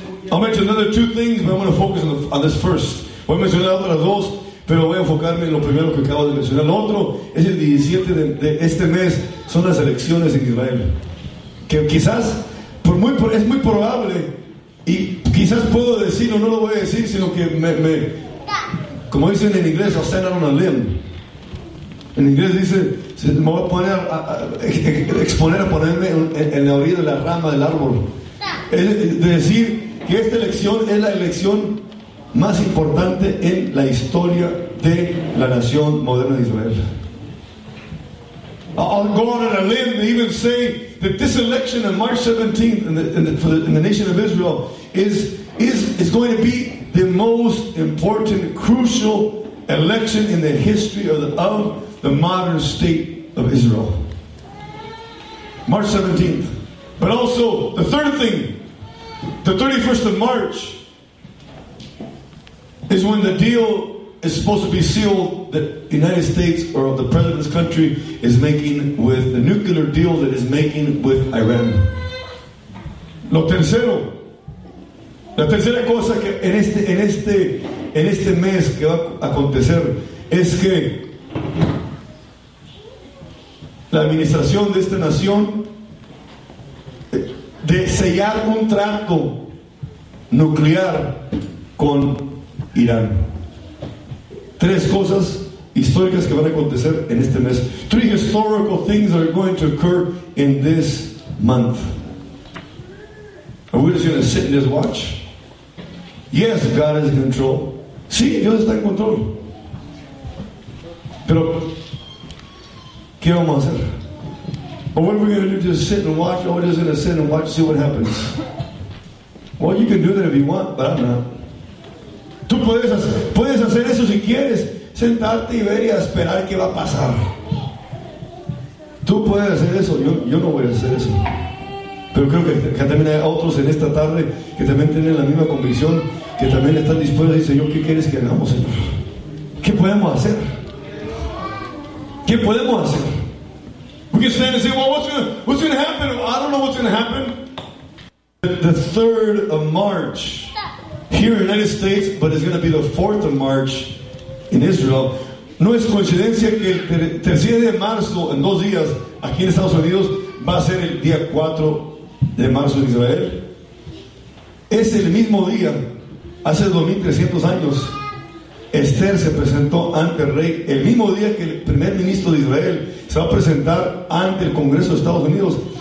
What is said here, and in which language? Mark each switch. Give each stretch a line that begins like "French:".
English: I'll mention another two things, but I'm going to focus on this first.
Spanish: Voy a mencionar otras dos, pero voy a enfocarme en lo primero que acabo de mencionar. Lo otro es el 17 de este mes, son las elecciones en Israel. Que quizás, es muy probable, y quizás puedo decir, o no lo voy a decir, sino que me como dicen en inglés,
English: I'll stand on a limb.
Spanish: En inglés dice, me voy a poner a exponer a ponerme en la orilla de la rama del árbol. Es de decir que esta elección es la elección más importante en la historia de la nación moderna de Israel.
English: I'll go on a limb and even say that this election on March 17th in the nation of Israel is going to be the most important, crucial election in the history of the modern state of Israel. March 17th. But also, the third thing, the 31st of March is when the deal is supposed to be sealed that the United States or the president's country is making with the nuclear deal that is making with Iran.
Spanish: Lo tercero, la tercera cosa que en este mes que va a acontecer es que la administración de esta nación de sellar un trato nuclear con Irán. Tres cosas históricas que van a acontecer en este mes.
English: Three historical things are going to occur in this month. Are we just going to sit and just watch? Yes, God is in control.
Spanish: Sí, Dios está en control. Pero ¿qué vamos a hacer?
English: Or what are we going to do? Just sit and watch? Or we're just going to sit and watch and see what happens? Well, you can do that if you want, but I'm not.
Spanish: Tú puedes hacer eso si quieres, sentarte y ver y esperar qué va a pasar. Tú puedes hacer eso, yo no voy a hacer eso. Pero creo que también hay otros en esta tarde que también tienen la misma convicción, que también están dispuestos a decir, Señor, ¿qué quieres que hagamos, Señor? ¿Qué podemos hacer? ¿Qué podemos hacer?
English: We can stand and say, well, what's going to happen? I don't know what's going to happen. The 3rd of March here in the United States, but it's going to be the 4th of March in Israel.
Spanish: No es coincidencia que el 3 de marzo, en dos días, aquí en Estados Unidos, va a ser el día 4 de marzo en Israel. Es el mismo día, hace 2300 años, Esther se presentó ante el rey, el mismo día que el primer ministro de Israel se va a presentar ante el Congreso de Estados Unidos.